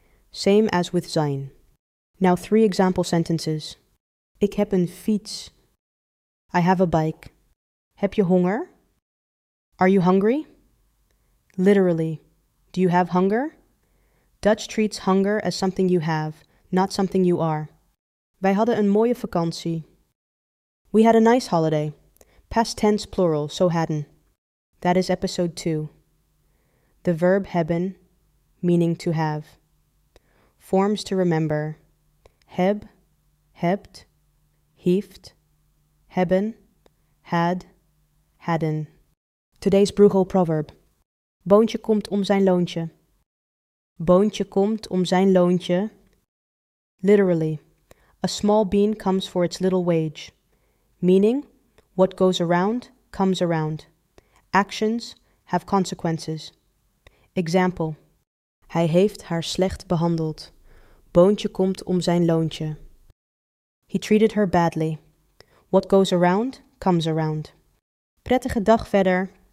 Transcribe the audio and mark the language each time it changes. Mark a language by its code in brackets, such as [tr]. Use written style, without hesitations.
[en] Same as with zijn. Now three example sentences. [nl] Ik heb een fiets. [en] I have a bike. [nl] Heb je honger? [en] Are you hungry? Literally, do you have hunger? Dutch treats hunger as something you have, not something you are. [nl] Wij hadden een mooie vakantie. [en] We had a nice holiday. Past tense plural, so hadden. That is episode 2. The verb hebben, meaning to have. Forms to remember. [nl] Heb, hebt, heeft, hebben, had, hadden. [en] Today's Bruegel proverb. [nl] Boontje komt om zijn loontje. Boontje komt om zijn loontje. [en] Literally, a small bean comes for its little wage. Meaning, what goes around, comes around. Actions have consequences. Example. [nl] Hij heeft haar slecht behandeld. Boontje komt om zijn loontje. [en] He treated her badly. What goes around, comes around. [nl] Prettige dag verder.